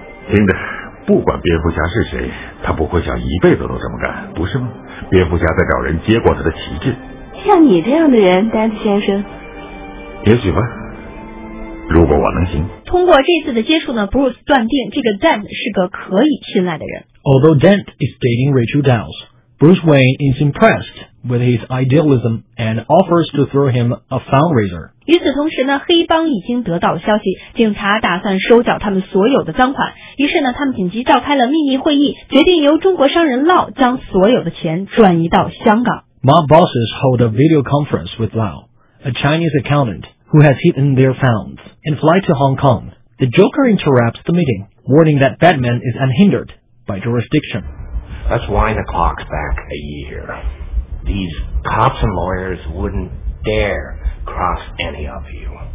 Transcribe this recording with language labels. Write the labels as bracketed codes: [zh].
[zh] 听着，不管蝙蝠侠是谁，他不会想一辈子都这么干，不是吗？蝙蝠侠在找人接过他的旗帜。像你这样的人，丹子先生，也许吧，如果我能行。通过这次的接触呢， Bruce 断定这个 Dent 是个可以信赖的人。 [en] Although Dent is dating Rachel Dawes, Bruce Wayne is impressed with his idealism and offers to throw him a fundraiser. 与此同时呢，黑帮已经得到了消息，警察打算收缴他们所有的赃款，于是呢，他们紧急召开了秘密会议，决定由中国商人Lau将所有的钱转移到香港。 Mob bosses hold a video conference with Lau, a Chinese accountant who has hidden their funds, and fly to Hong Kong. The Joker interrupts the meeting, warning that Batman is unhindered by jurisdiction. Let's wind the clock back a year. These cops and lawyers wouldn't dare cross any of you.